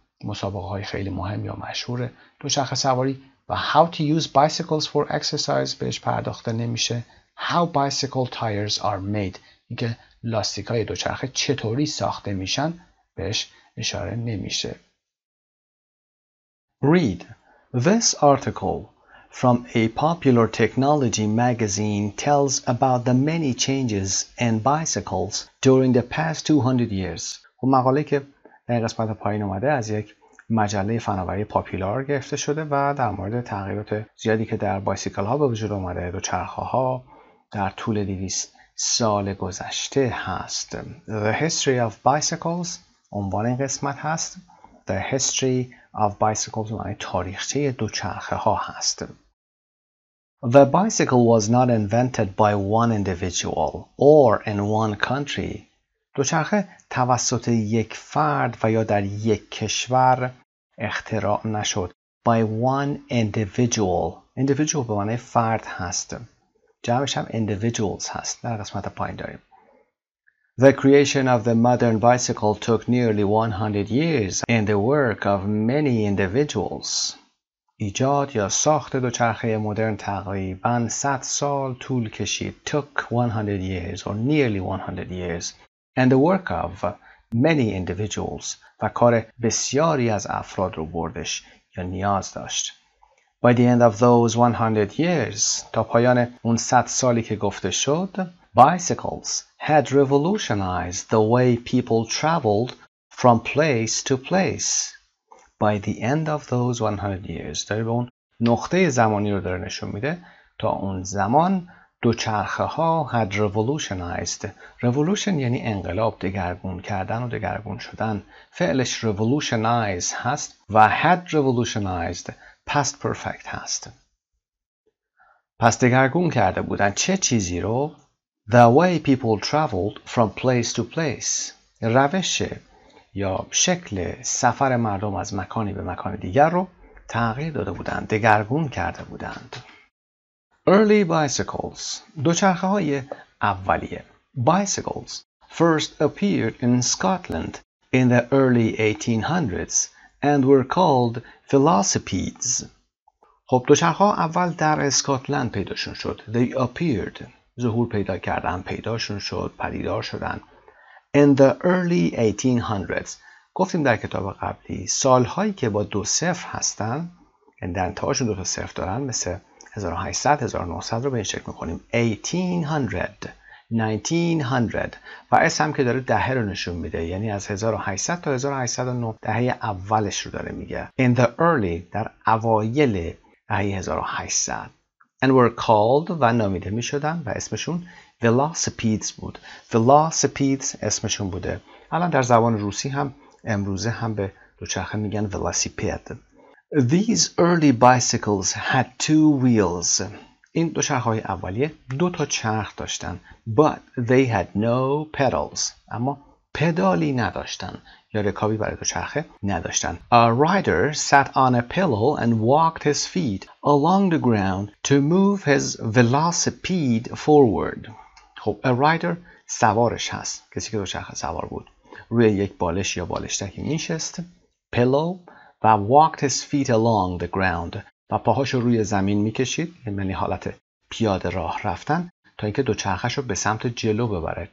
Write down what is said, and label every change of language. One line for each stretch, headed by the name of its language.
Persian: مسابقه های خیلی مهم یا مشهور دوچرخه سواری و
English: how to use bicycles for exercise
Persian: بهش پرداخته نمیشه.
English: How bicycle tires are made،
Persian: اینکه لاستیک های دوچرخه چطوری ساخته میشن بهش اشاره نمیشه.
English: Read this article from a popular technology magazine tells about the many changes in bicycles during the past 200 years.
Persian: خب مقاله که در قسمت پایین اومده از یک مجله فناوری پاپولار گرفته شده و در مورد تغییرات زیادی که در بایسیکل ها به وجود اومده و چرخه ها در طول 200 سال گذشته هست.
English: The History of Bicycles
Persian: عنوان این قسمت هست.
English: The History of Bicycles
Persian: معنی تاریخچه دوچرخه ها هست.
English: The bicycle was not invented by one individual or in one country.
Persian: دوچرخه توسط یک فرد و یا در یک کشور اختراع نشد.
English: By one individual.
Persian: Individual به معنی فرد هست. جمعش هم individuals هست. در قسمت پایین داریم.
English: The creation of the modern bicycle took nearly 100 years and the work of many individuals.
Persian: ایجاد یا ساخت دوچرخه مدرن تقریباً 100 سال طول کشید.
English: Took 100 years or nearly 100 years and the work of many individuals.
Persian: و کار بسیاری از افراد رو بردش یا نیاز داشت.
English: By the end of those 100 years,
Persian: تا پایان اون 100 سالی که گفته شد،
English: bicycles had revolutionized the way people traveled from place to place. By the end of those 100 years,
Persian: داره به اون نقطه زمانی رو داره نشون میده. تا اون زمان دوچرخه ها
English: had revolutionized.
Persian: Revolution یعنی انقلاب، دگرگون کردن و دگرگون شدن. فعلش revolutionize هست و had revolutionized past perfect هست. پس دگرگون کرده بودن چه چیزی رو؟
English: The way people traveled from place to place.
Persian: روش یا شکل سفر مردم از مکانی به مکان دیگر رو تغییر داده بودند، دگرگون کرده بودند.
English: Early bicycles.
Persian: دوچرخه های اولیه.
English: Bicycles first appeared in Scotland in the early 1800s and were called velocipedes.
Persian: خب دوچرخه ها اول در اسکاتلند پیداشون شد.
English: They appeared.
Persian: ظهور پیدا کردن، پیداشون شد، پدیدار شدن.
English: In the early 1800s.
Persian: گفتیم در کتاب قبلی سالهایی که با دو صفر هستن، یعنی در انتهاشون دو تا صفر دارن، مثل 1800، 1900 رو به این شکل میکنیم. 1800، 1900. و اس هم که داره دهه رو نشون میده، یعنی از 1800 تا 1809 دهه اولش رو داره میگه.
English: In the early،
Persian: در اوایل دهه 1800.
English: And were called
Persian: و نامیده می شدن و اسمشون velocipedes بود. Velocipedes اسمشون بوده. الان در زبان روسی هم امروزه هم به دوچرخه میگن velociped.
English: These early bicycles had two wheels.
Persian: این دوچرخه های اولیه دو تا چرخ داشتن.
English: But they had no pedals.
Persian: اما پدالی نداشتن یا رکابی برای دوچرخه نداشتن.
English: A rider sat on a pillow and walked his feet along the ground to move his velocipede forward.
Persian: خب a rider سوارش هست، کسی که دوچرخه سوار بود، روی یک بالش یا بالشتکی میشست.
English: Pillow
Persian: و
English: walked his feet along the ground
Persian: و پاهاش رو روی زمین میکشید، یعنی حالت پیاده راه رفتن، تا اینکه دوچرخش رو به سمت جلو ببره.